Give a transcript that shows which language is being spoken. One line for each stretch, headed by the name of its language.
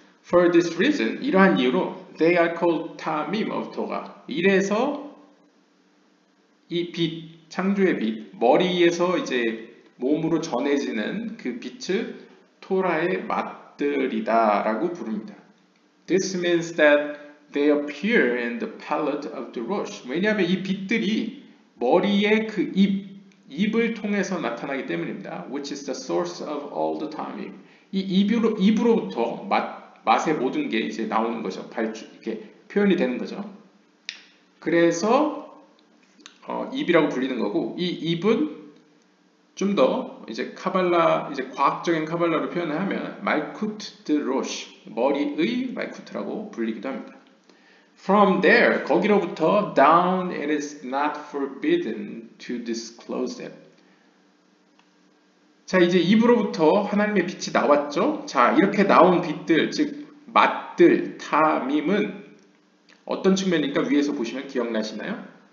English: For this reason,
Korean: 이러한 이유로
English: they are called tamim of Torah.
Korean: 이래서 이 빛, 창조의 빛, 머리에서 이제 몸으로 전해지는 그 빛을 토라의 맛들이다라고 부릅니다.
English: This means that they appear in the palate of the rosh.
Korean: 왜냐하면 이 빛들이 머리의 그 입을 통해서 나타나기 때문입니다.
English: Which is the source of all the tamim.
Korean: 이 입으로부터 맛의 모든 게 이제 나오는 거죠. 이렇게 표현이 되는 거죠. 그래서 입이라고 불리는 거고, 이 입은 좀더 이제 카발라, 이제 과학적인 카발라로 표현을 하면, 말쿠트 드 로쉬, 머리의 말쿠트라고 불리기도 합니다.
English: From there,
Korean: 거기로부터,
English: down it is not forbidden to disclose them.
Korean: 자, 이제 입으로부터 하나님의 빛이 나왔죠? 자, 이렇게 나온 빛들, 즉, 맛들, 타밈은 어떤 측면이니까 위에서 보시면 기억나시나요?